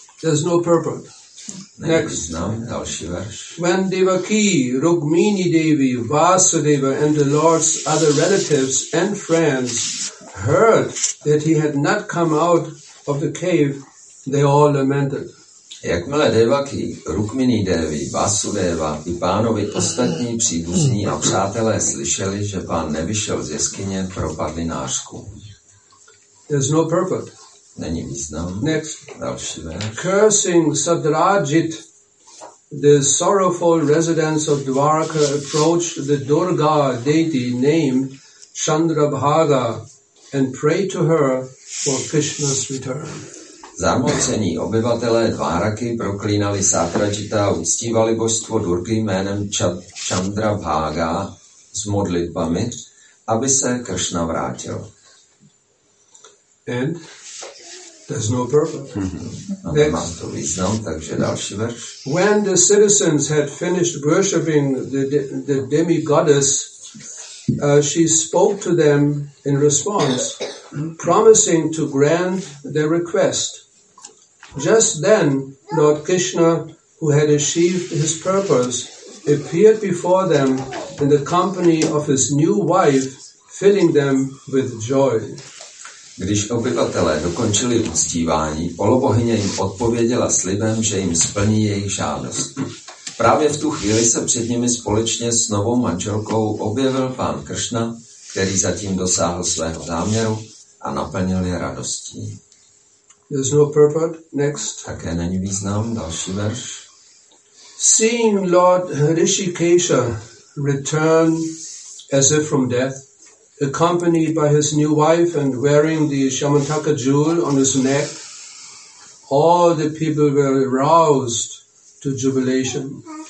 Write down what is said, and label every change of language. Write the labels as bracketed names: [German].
[English] There's no purport. Next. [Czech] Nám další verš. [English] When Devaki, Rukmini Devi, Vasudeva and the Lord's other relatives and friends heard that he had not come out of the cave, they all lamented. [Czech] Jakmile Devaki, Rukmini Devi, Vasudeva i pánovi ostatní příbuzní a přátelé slyšeli, že pán nevyšel z jeskyně, propadli nářku. [English] There's no purport. [Czech] Není význam. [English] Next. [Czech] Další verš. [English] Cursing Sadrajit, the sorrowful residents of Dwarka approached the Durga deity named Chandrabhaga and prayed to her for Krishna's return. [Czech] Zarmoucení obyvatelé Dváraky proklínali Sátrajita a uctívali božstvo Durky jménem Chandrabhaga s modlitbami, aby se Krishna vrátil. [English] And there's no purpose. Mm-hmm. [Czech] No, to význam, takže další verš. [English] When the citizens had finished worshipping the demigoddess, she spoke to them in response, promising to grant their request. Just then, Lord Krishna, who had achieved his purpose, appeared before them in the company of his new wife, filling them with joy. [Czech] Když obyvatelé dokončili uctívání, polobohyně jim odpověděla slibem, že jim splní jejich žádost. Právě v tu chvíli se před nimi společně s novou manželkou objevil pán Krishna, který zatím dosáhl svého záměru a naplnil je radostí. [English] There's no purport. Next. [Czech] Také není význam. Další verš. [English] Seeing Lord Hrishikesha return as if from death, accompanied by his new wife and wearing the Shamantaka jewel on his neck, all the people were aroused to jubilation.